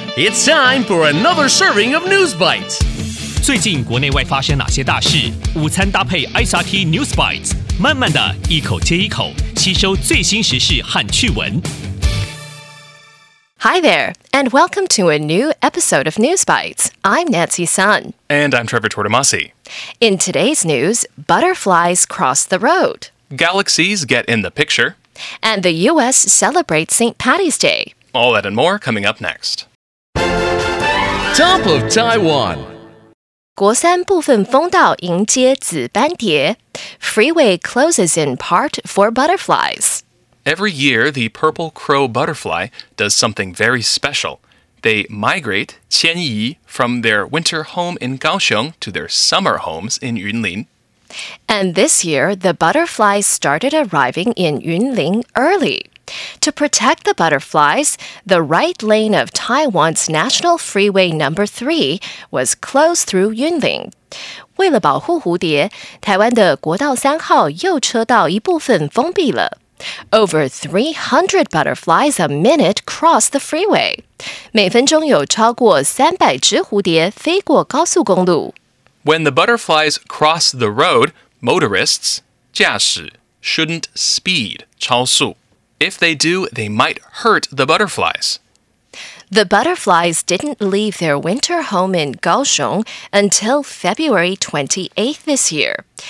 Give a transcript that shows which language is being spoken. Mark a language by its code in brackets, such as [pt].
[en] It's time for another serving of News Bites. [zh] 最近国内外发生哪些大事？午餐搭配 SRT News Bites， 慢慢的一口接一口，吸收最新时事和趣闻。 [en] Hi there, and welcome to a new episode of News Bites. I'm Nancy Sun. And I'm Trevor Tortomasi. In today's news, butterflies cross the road. Galaxies get in the picture. And the U.S. celebrates St. Patty's Day. All that and more coming up next. Top of Taiwan. [zh] 国三部分风道迎接紫斑蝶。 [en] Freeway closes in part for butterflies. Every year, the purple crow butterfly does something very special. They migrate, 迁移, from their winter home in Kaohsiung to their summer homes in Yunlin. And this year, the butterflies started arriving in Yunlin early. To protect the butterflies, the right lane of Taiwan's National Freeway No. 3 was closed through Yunlin. [zh] 为了保护蝴蝶，台湾的国道三号右车道一部分封闭了。 [en] Over 300 butterflies a minute cross the freeway. [zh] 每分钟有超过300只蝴蝶飞过高速公路。 [en] When the butterflies cross the road, motorists, 驾驶, shouldn't speed, 超速. If they do, they might hurt the butterflies. The butterflies didn't leave their winter home in Kaohsiung until February 28th this year.